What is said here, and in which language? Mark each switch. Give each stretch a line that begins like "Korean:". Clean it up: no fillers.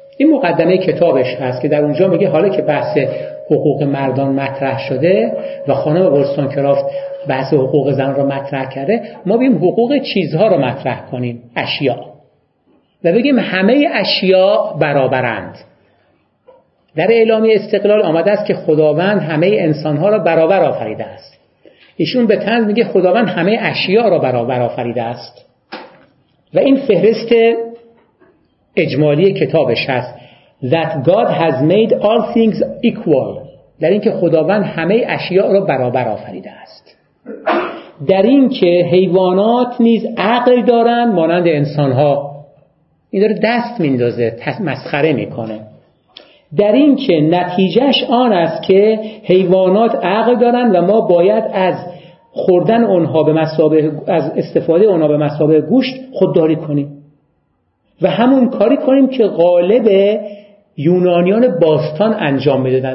Persian: این مقدمه کتابش هست که در اونجا میگه حالا که بحث حقوق مردان مطرح شده و خانم وولستونکرافت بحث حقوق زن را مطرح کرده، ما بیم حقوق چیزها را مطرح کنیم، اشیاء، و بگیم همه اشیاء برابرند. در اعلامیه استقلال آمده است که خداوند همه انسانها را برابر آفریده است. ایشون به طنز میگه خداوند همه اشیاء را برابر آفریده است. و این فهرست اجمالی کتابش هست.
English: That God has made all things equal.
Persian: در این که خداوند همه اشیاء را برابر آفریده است. در این که حیوانات نیز عقل دارند مانند انسانها. این داره دست میندازه، مسخره میکنه. در این که نتیجهش آن است که حیوانات عقل دارند و ما باید از خوردن اونها به مسابه، از استفاده اونها به مسابه گوشت خودداری کنیم و همون کاری کنیم که غالب یونانیان باستان انجام میدادن.